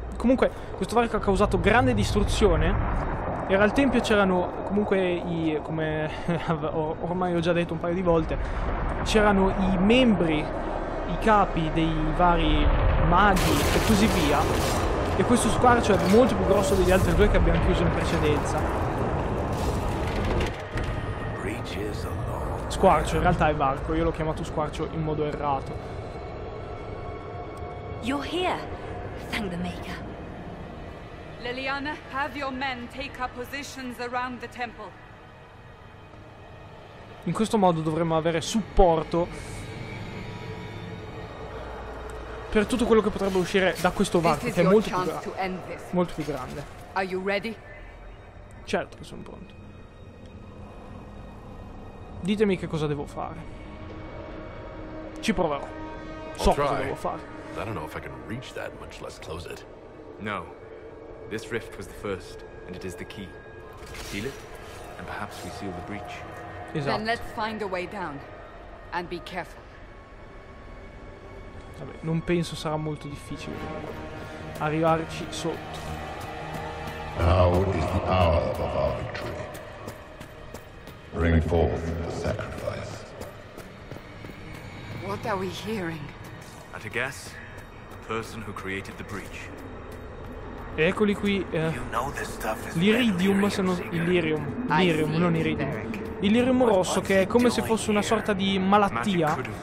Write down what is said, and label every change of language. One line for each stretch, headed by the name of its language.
Italian: Comunque, questo varco ha causato grande distruzione. Era il tempio, c'erano comunque i, come ormai ho già detto un paio di volte, c'erano i membri, i capi dei vari maghi e così via. E questo squarcio è molto più grosso degli altri due che abbiamo chiuso in precedenza. Squarcio, in realtà è varco, io l'ho chiamato squarcio in modo errato.
English: You're here, thank the Maker. Liliana, have your men take up positions around the temple.
Italian: In questo modo dovremmo avere supporto per tutto quello che potrebbe uscire da questo varco, che è molto più grande. Molto più grande.
English: Are you ready?
Italian: Certo che sono pronto. Ditemi che cosa devo fare. Ci proverò. So cosa devo fare.
English: I don't know if I can reach that, much less close it. No. This rift was the first, and it is the key. Seal it, and perhaps we seal the breach. Then let's find a way down, and be careful.
Italian: Vabbè, non penso sarà molto difficile arrivarci sotto.
English: Now is the hour of our victory. Bring forth the sacrifice. What are we hearing? At a guess, the person who created the breach.
Italian: Eccoli qui. L'iridium, se non. L'irium rosso, che è come se fosse una sorta di malattia.